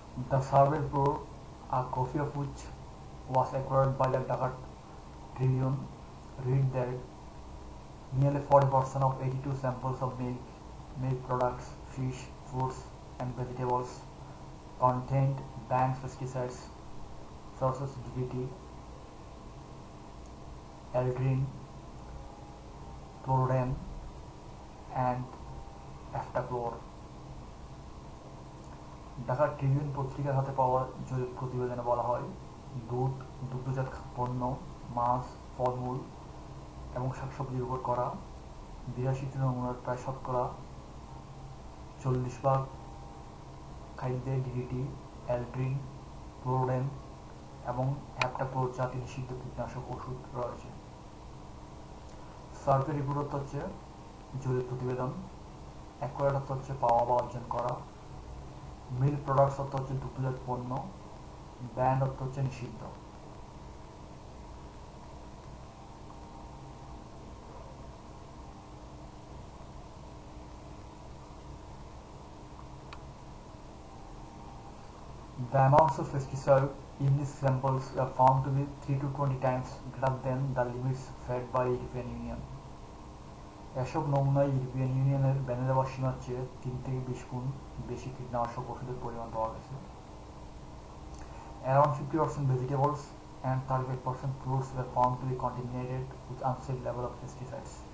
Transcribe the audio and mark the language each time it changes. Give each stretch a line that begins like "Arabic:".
English: The survey for a copy of which was acquired by the Dhaka Tribune read that nearly 40% of 82 samples of milk products, fish, fruits and vegetables contained banned pesticides such as DDT, Aldrin, Chlordane and Heptachlor.
Bangla: Dhaka Tribune পত্রিকার হাতে পাওয়া জরিপ প্রতিবেদনে বলা হয় দুধ, দুগ্ধজাত পণ্য, মাছ, ফলমূল এবং শাকসবজির উপর করা 82টি নমুনার প্রায় শতকরা 40% খাদ্যে ডিডিটি, অ্যালড্রিন, ক্লোরোডেন এবং হেপ্টাক্লোর জাতীয় নিষিদ্ধ কীটনাশক ওষুধ রয়েছে। সার্ভে রিপোর্ট হচ্ছে জরিপ প্রতিবেদন, অ্যাকোয়ার্ড হচ্ছে পাওয়া বা অর্জন করা, মিল প্রোডাক্টস অর্থ হচ্ছে দুগ্ধজাত পণ্য, ব্যান্ড অর্থ হচ্ছে নিষিদ্ধ।
English: The amounts of pesticide in these samples were found to be 3 to 20 times greater than the limits set by European Union.
Bangla: এসব নমুনায় ইউরোপিয়ান ইউনিয়নের ব্যানের দেওয়া সীমার চেয়ে 3 থেকে 20 গুণ বেশি কীটনাশক ওষুধের পরিমাণ পাওয়া গেছে।
English: Around 50% vegetables and 35% fruits were found to be contaminated with unsafe level of pesticides.